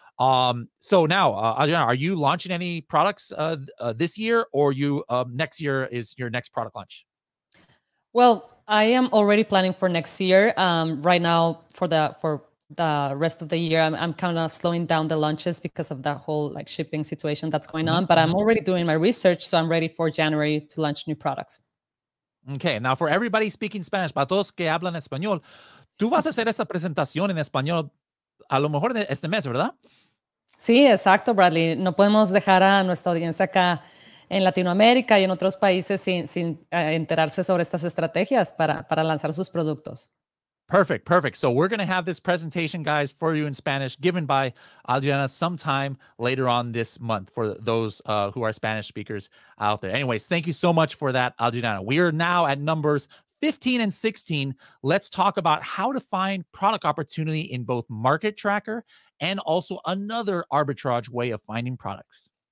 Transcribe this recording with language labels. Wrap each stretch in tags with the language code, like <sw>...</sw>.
<en>So now, Adriana, are you launching any products this year, or you next year is your next product launch? Well, I am already planning for next year. Right now, for the rest of the year, I'm kind of slowing down the launches because of that whole like shipping situation that's going on. But I'm already doing my research, so I'm ready for January to launch new products. Okay. Now, for everybody speaking Spanish,</en> <es>para todos que hablan español, tú vas a hacer esta presentación en español a lo mejor este mes, ¿verdad? Sí, exacto, Bradley. No podemos dejar a nuestra audiencia acá en Latinoamérica y en otros países sin enterarse sobre estas estrategias para lanzar sus productos.</es> <en>Perfect, perfect. So we're going to have this presentation, guys, for you in Spanish, given by Adriana sometime later on this month for those who are Spanish speakers out there. Anyways, thank you so much for that, Adriana. We are now at numbers 15 and 16. Let's talk about how to find product opportunity in both Market Tracker and also another arbitrage way of finding products.</en>